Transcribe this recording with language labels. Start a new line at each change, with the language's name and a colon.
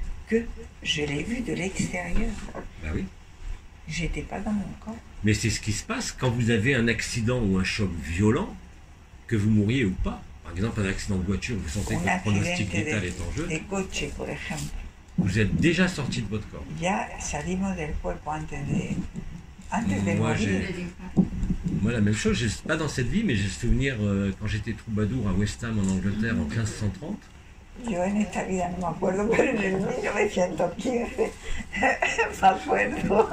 French: que je l'ai vu de l'extérieur. Ben oui. J'étais pas dans mon corps. Mais c'est ce qui se passe quand vous avez un accident ou un choc violent, que vous mouriez ou pas. Par exemple, un accident de voiture, vous sentez que votre pronostic vital est en jeu. Des coches, par exemple. Vous êtes déjà sorti de votre corps.
Spanish: Ya salimos del cuerpo antes de morir.
French: Moi, la même chose, je, pas dans cette vie, mais j'ai le souvenir quand j'étais troubadour à West Ham en Angleterre en 1530.
Spanish: Yo en esta vida no me acuerdo, pero en el 1915, más fuerte.